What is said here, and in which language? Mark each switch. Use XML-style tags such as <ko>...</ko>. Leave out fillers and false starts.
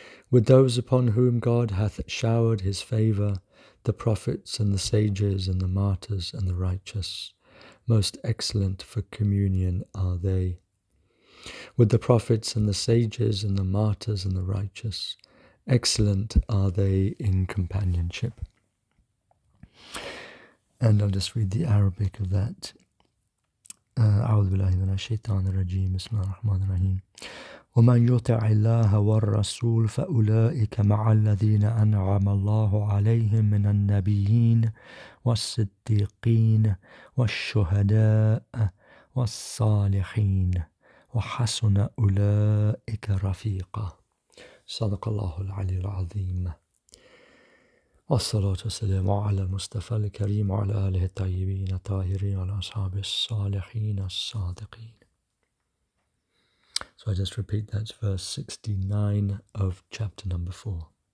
<en>With those upon whom God hath showered his favour, the prophets and the sages and the martyrs and the righteous, most excellent for communion are they. With the prophets and the sages and the martyrs and the righteous, excellent are they in companionship. And I'll just read the Arabic of that.</en> <ar>أعوذ بالله من الشيطان الرجيم بسم الله الرحمن الرحيم ومن يطع الله والرسول فأولئك مع الذين أنعم الله عليهم من النبيين والصديقين والشهداء والصالحين وحسن أولئك رفيقا صدق الله العلي العظيم والصلاة والسلام على المصطفى الكريم وعلى آله الطيبين الطاهرين وعلى أصحاب الصالحين الصادقين.</ar> <en>So I just repeat, that's verse 69 of chapter number 4.</en>